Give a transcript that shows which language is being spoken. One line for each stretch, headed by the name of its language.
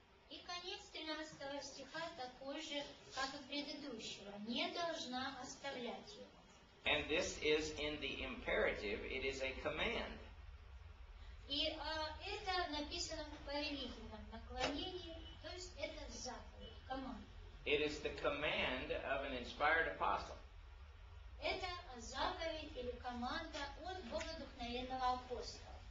Russian: И конец 13 стиха такой же, как и предыдущего. Не должна оставлять его.
English: And this is in the imperative, it is a command.
Russian: И это написано в повелительном наклонении, то есть это заповедь, command.
English: It is the command of an inspired apostle.
Russian: Это заповедь или команда от богодухновенного апостола.